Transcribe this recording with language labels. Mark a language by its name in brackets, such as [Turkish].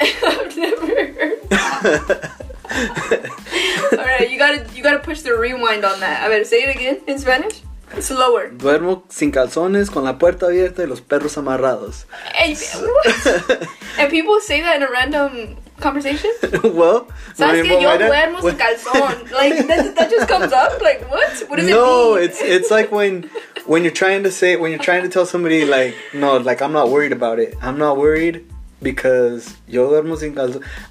[English] I've never heard. Alright, you gotta push the rewind on that. I better say it again in Spanish. Slower. [Spanish] Duermo sin calzones, con la puerta abierta y los perros amarrados. [English] And people say that in a random conversation? Well, [Spanish] ¿sabes que yo duermo sin calzón? [English] Like, that just comes up? Like, what? What does no, it mean? No, it's like when you're trying to say, when you're trying to tell somebody, like, no, like, I'm not worried about it. I'm not worried because [Spanish] yo duermo sin calzón.